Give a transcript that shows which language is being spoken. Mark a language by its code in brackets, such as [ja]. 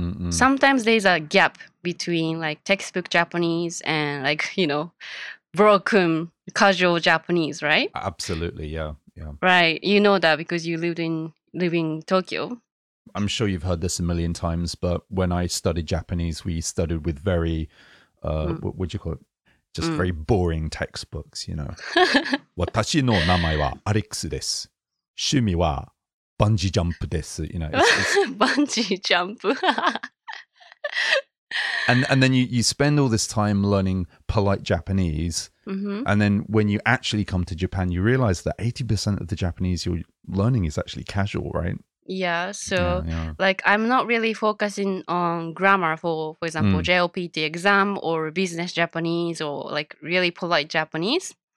[en] Sometimes there's a gap between like textbook Japanese and like, you know, broken casual Japanese, right? Absolutely, yeah. Yeah. Right. You know that because you live in Tokyo. I'm sure you've heard this a million times, but when I studied Japanese, we studied with very what'd you call it? Just very boring textbooks, you know. [ja] 私の名前はアレックスです。趣味はバンジージャンプです。 [en] You know, [ja] バンジージャンプ。 [en] And then you spend all this time learning polite Japanese, and then when you actually come to Japan, you realize that 80% of the Japanese you're learning is actually casual, right? Yeah, so like I'm not really focusing on grammar for example, JLPT exam or business Japanese or like really polite Japanese.